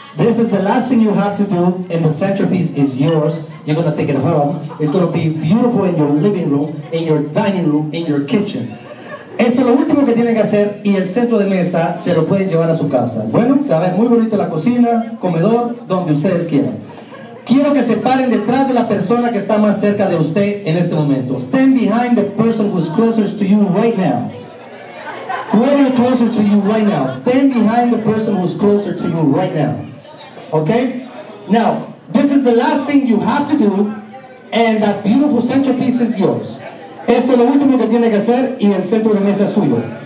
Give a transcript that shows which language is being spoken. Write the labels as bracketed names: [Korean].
[English] This is the last thing you have to do, and the centerpiece is yours. You're gonna take it home. It's gonna be beautiful in your living room, in your dining room, in your kitchen. [Spanish] Esto es lo último que tienen que hacer, y el centro de mesa se lo pueden llevar a su casa. Bueno, se va a ver muy bonito la cocina, comedor, donde ustedes quieran. Quiero que se paren detrás de la persona que está más cerca de usted en este momento. [English] Stand behind the person who's closest to you right now. Whoever is closer to you right now. Stand behind the person who's closer to you right now. Okay? Now, this is the last thing you have to do, and that beautiful centerpiece is yours. [Spanish] Esto es lo último que tiene que hacer, y el centro de mesa es suyo.